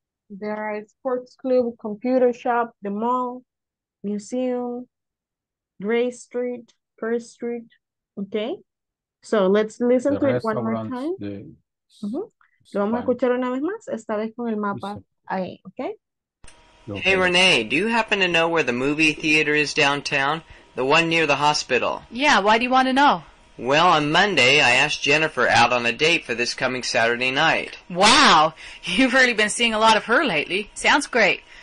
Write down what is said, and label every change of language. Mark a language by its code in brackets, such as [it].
[en] There are a sports club, computer shop, the mall, museum, Gray Street, 1st Street. Okay. So let's listen to it one more time. [es] Lo vamos a escuchar una vez más, esta vez con el mapa ahí, okay? [en] Hey, Renee, do you happen to know where the movie theater is downtown? The one near the hospital. Yeah, why do you want to know? Well, on Monday, I asked Jennifer out on a date for this coming Saturday night. Wow, you've really been seeing a lot of her lately. Sounds great.